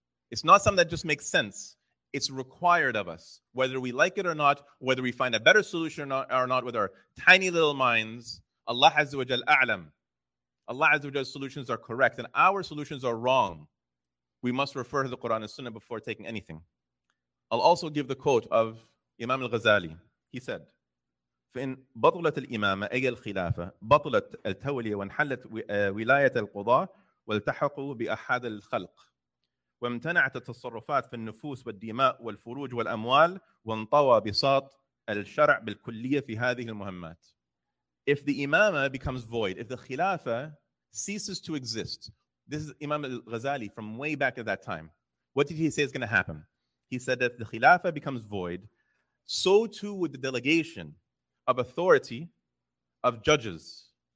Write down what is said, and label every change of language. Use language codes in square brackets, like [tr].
[en] It's not something that just makes sense. It's required of us, whether we like it or not, whether we find a better solution or not with our tiny little minds. Allah Azza wa Jal A'lam. Allah Azza wa Jal's solutions are correct and our solutions are wrong. We must refer to the Quran and Sunnah before taking anything. I'll also give the quote of Imam al-Ghazali. He said, [ar] فإن بطلت الإمامة أي الخلافة بطلت التولية وانحلت ولاية القضاء والتحقوا بأحد الخلق وامتنعت التصرفات في النفوس والدماء والفروج والأموال وانطوى بساط الشرع بالكلية في هذه المهمات. [en] If the imama becomes void, if the khilafa ceases to exist, this is Imam al-Ghazali from way back at that time. What did he say is going to happen? He said that if the khilafa becomes void, so too would the delegation of authority of judges.